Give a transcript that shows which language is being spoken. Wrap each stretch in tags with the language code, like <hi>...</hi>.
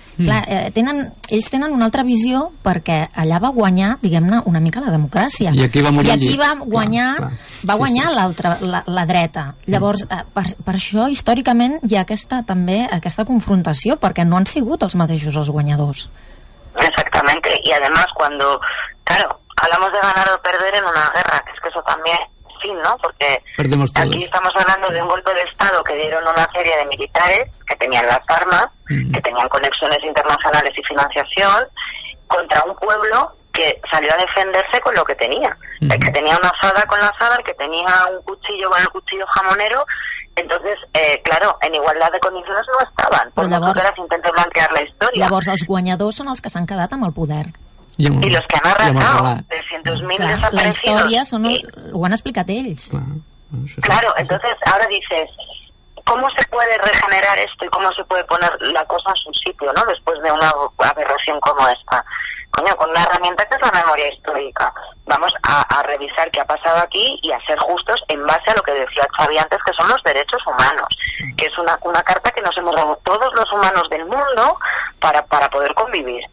<ca>Clar, ells tenen una altra visió, perquè allà va guanyar, diguem-ne, una mica la democràcia. I aquí va morir. I aquí va guanyar, l'altra, la dreta. Llavors, per això, històricament, hi ha aquesta confrontació, perquè no han sigut els mateixos els guanyadors.</ca> <es>Exactamente. Y además, cuando, claro, hablamos de ganar o perder en una guerra, que es que eso también, fin, ¿no? Porque perdemos todos. Aquí estamos hablando de un golpe de Estado que dieron una serie de militares que tenían las armas, que tenían conexiones internacionales y financiación, contra un pueblo que salió a defenderse con lo que tenía. El que tenía una azada con la azada, el que tenía un cuchillo con el cuchillo jamonero. Entonces, claro, en igualdad de condiciones no estaban. Por lo que las intenten blanquear la historia.</es> <ca>Llavors, els guanyadors són els que s'han quedat amb el poder.</ca> <es>I los que han arrasado, 300.000 desaparecidos.</es> <ca>La història son ho han explicat ells.</ca> <es>Claro, entonces, ahora dices, ¿cómo se puede regenerar esto y cómo se puede poner la cosa en su sitio, no? Después de una aberración como esta. Coño, con una herramienta que es la memoria histórica. Vamos a revisar qué ha pasado aquí y a ser justos en base a lo que decía Xavi antes, que son los derechos humanos, que es una carta que nos hemos dado todos los humanos del mundo para poder convivir.</es>